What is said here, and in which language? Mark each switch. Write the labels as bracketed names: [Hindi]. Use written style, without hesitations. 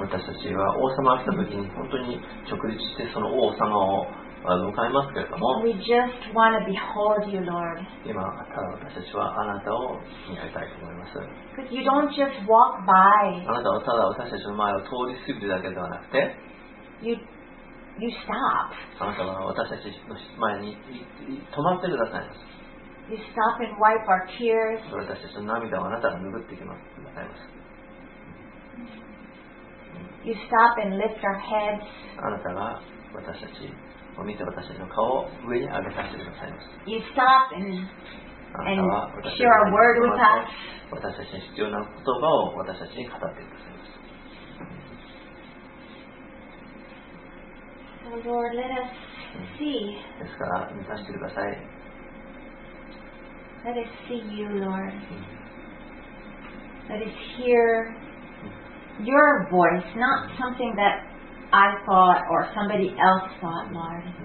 [Japanese] 私たちは王様が来た時に本当に直立してその王様を迎えますけれども、 [English] We just want to behold you, Lord. [Japanese] 今ただ私たちはあなたを見上げたいと思います。 [English] Because you don't just walk by. [Japanese] あなたはただ私たちの前を通り過ぎるだけではなくて、 [English] You stop. [Japanese] あなたは私たちの前に止まってください。 [English] You stop and wipe our tears. [Japanese] 私たちの涙をあなたが拭ってきます。 [English] You stop and lift our heads. [Japanese] あなたが私たち見て私の顔を上に上げさせてくださいます。 [English] You stop and share a word with us. [Japanese] 私たちに必要な言葉を私たちに語ってくださいます。 [English] So Lord, let us see. [Japanese] ですから見させてください。 [English] Let us see you, Lord. Let us hear your voice, not something that I thought or somebody else thought, Lord.